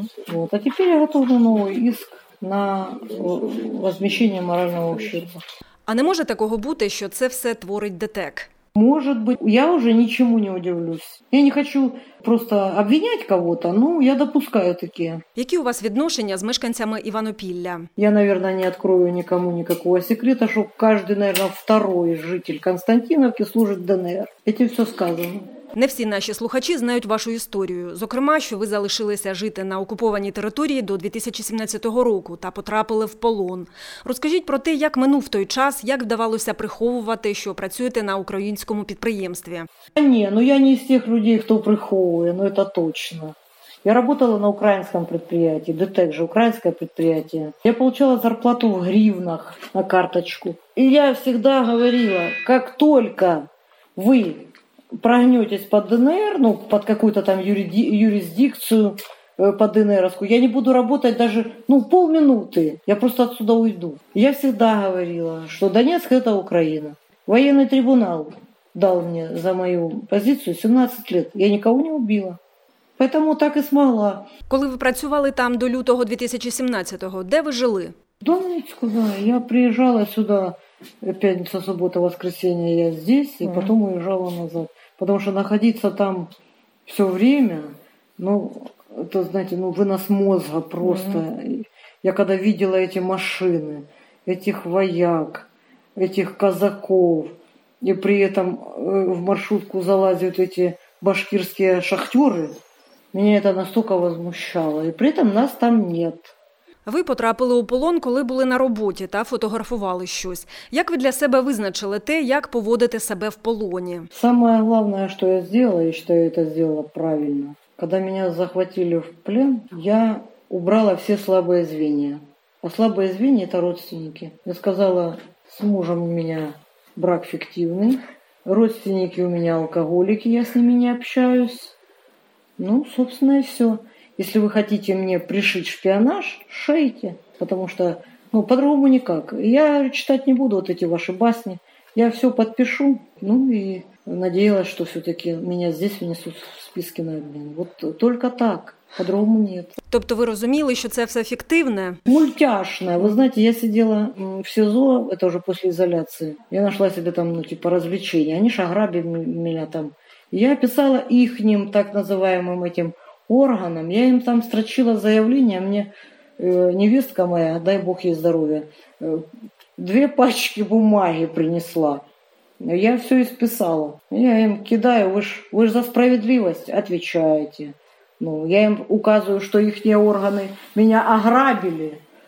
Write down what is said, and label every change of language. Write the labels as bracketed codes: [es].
[ru] Вот. А теперь я готовлю новый иск на возмещение морального ущерба. А не может такого быть, что это все творит ДТЭК? Может быть. Я уже ничему не удивлюсь. Я не хочу просто обвинять кого-то, но я допускаю такие. Какие у вас отношения с жителями Іванопілля? Я, наверное, не открою никому никакого секрета, что каждый, наверное, второй житель Константиновки служит ДНР. Этим все сказано. [uk] Не всі наші слухачі знають вашу історію, зокрема, що ви залишилися жити на окупованій території до 2017 року та потрапили в полон. Розкажіть про те, як минув той час, як вдавалося приховувати, що працюєте на українському підприємстві. Ні, ну я не з тих людей, хто приховує, ну це точно. [ru] Я работала на украинском предприятии, ДТЭК же украинское предприятие. Я получала зарплату в гривнах на карточку. И я всегда говорила, как только вы прогнетесь под ДНР, ну, под какую-то там юрисдикцию под ДНРовскую, я не буду работать даже, ну, полминуты. Я просто отсюда уйду. Я всегда говорила, что Донецк – это Украина. Военный трибунал дал мне за мою позицию 17 лет. Я никого не убила. Поэтому так и смогла. [uk] Коли ви працювали там до лютого 2017-го, де ви жили? В Донецьку, да. Я приїжджала сюди. [ru] Пятница, суббота, воскресенье я здесь, и потом уезжала назад. Потому что находиться там все время, ну, это, знаете, ну, вынос мозга просто. Я когда видела эти машины, этих вояк, этих казаков, и при этом в маршрутку залазят эти башкирские шахтеры, меня это настолько возмущало. И при этом нас там нет. [uk] Ви потрапили у полон, коли були на роботі та фотографували щось. Як ви для себе визначили те, як поводити себе в полоні? Саме головне, що я зробила, і що я це зробила правильно, коли мене захватили [ru] в плен, [uk] я убрала всі слабі звіння. А слабі звіння – це родственники. Я сказала, з мужем у мене брак фіктивний, родственники у мене алкоголіки, я з ними не общаюсь. Ну, собственно, і все. [ru] Если вы хотите мне пришить шпионаж, шейте, потому что, ну, по-другому никак. Я читать не буду вот эти ваши басни, я все подпишу, ну и надеялась, что все-таки меня здесь внесут в списки на обмен. Вот только так, по-другому нет. [uk] Тобто ви розуміли, що це все фіктивне? Мультяшне. Ви знаєте, я сиділа в СІЗО, це вже після ізоляції, я знайшла себе там, ну, типу, розвлечення, вони ж ограбили мене там. Я писала їхнім, так називаємим, [ru] этим органам. Я им там строчила заявление, мне невестка моя, дай бог ей здоровья, две пачки бумаги принесла. Я все исписала. Я им кидаю, вы ж за справедливость отвечаете. Ну, я им указываю, что ихние органы меня ограбили.